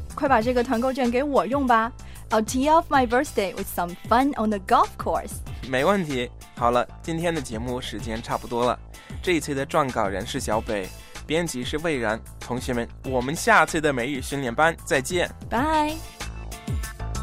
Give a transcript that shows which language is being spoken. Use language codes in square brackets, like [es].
[zh] 快把这个团购券给我用吧。 [en] I'll tee off my birthday with some fun on the golf course. [zh] 没问题。好了，今天的节目时间差不多了。这一次的撰稿人是小北，编辑是魏然。同学们，我们下次的美语训练班再见。 [en] Bye。